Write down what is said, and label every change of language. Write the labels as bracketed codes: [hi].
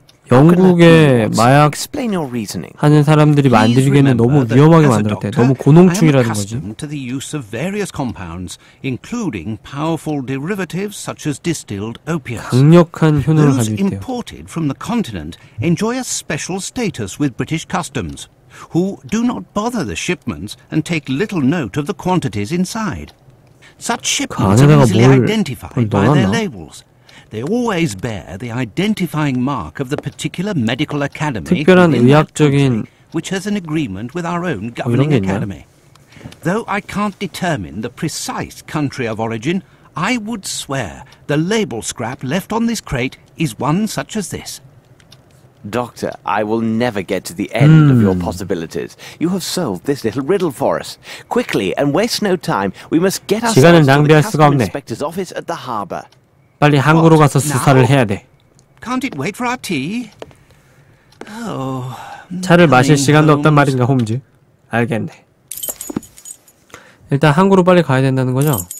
[ko] 영국의 마약 하는 사람들이 만들기에는 너무 위험하게 만들었대. 너무 고농축이라는 거지. 강력한 효능을 가지고 있대요. [en] imported from the continent enjoy a special status with British customs, who do not bother the shipments and take little note of the quantities inside. Such shipments are easily identified by their labels. They always bear the identifying mark of the particular medical academy. [ko] 특별한 의학적인 [en] which has an agreement with our own governing academy. Though I can't determine the precise country of origin, I would swear the label scrap left on this crate is one such as this. Doctor, I will never get to the end of your possibilities. You have solved this little riddle for us. Quickly and waste no time. We must get ourselves to the customs inspector's office at the harbor. [ko] 빨리 항구로 가서 수사를 해야 돼. [en] Can't it wait for our tea? [ko] 차를 마실 시간도 없단 말인가, 홈즈. 알겠네. 일단 항구로 빨리 가야 된다는 거죠?